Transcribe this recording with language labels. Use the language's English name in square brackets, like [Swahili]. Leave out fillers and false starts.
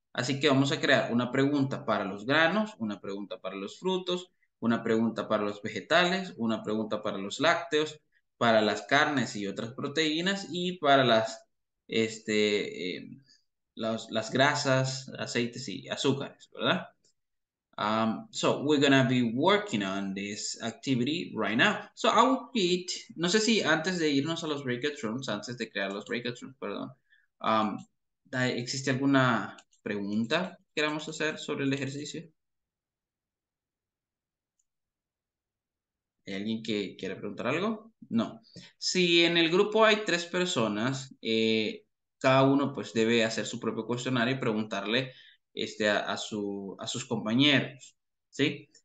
[Spanish] Así que vamos a crear una pregunta para los granos, una pregunta para los frutos, una pregunta para los vegetales, una pregunta para los lácteos, para las carnes y otras proteínas y para las grasas, aceites y azúcares, ¿verdad? [English] So we're gonna be working on this activity right now. So I will repeat, [Spanish] no sé si antes de irnos a los breakout rooms, antes de crear los breakout rooms, perdón, ¿existe alguna pregunta que queramos hacer sobre el ejercicio? ¿Hay alguien que quiera preguntar algo? No. Si en el grupo hay tres personas, cada uno pues debe hacer su propio cuestionario y preguntarle a sus compañeros, ¿sí?